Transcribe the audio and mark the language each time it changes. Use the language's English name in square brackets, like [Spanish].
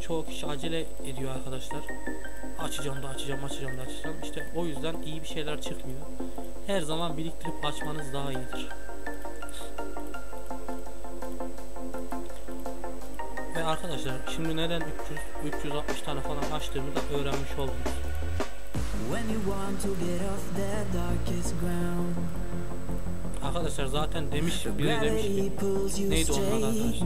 [Turkish] Çoğu kişi acele ediyor arkadaşlar. Açacağım da açacağım, açacağım da açacağım. İşte o yüzden iyi bir şeyler çıkmıyor. Her zaman biriktirip açmanız daha iyidir. Ve arkadaşlar şimdi neden 300, 360 tane falan açtığımı da öğrenmiş oldunuz. [English] When you want to get off the darkest ground. [Turkish] Arkadaşlar zaten demiş, bile demiş ki neydi onun adı arkadaşlar?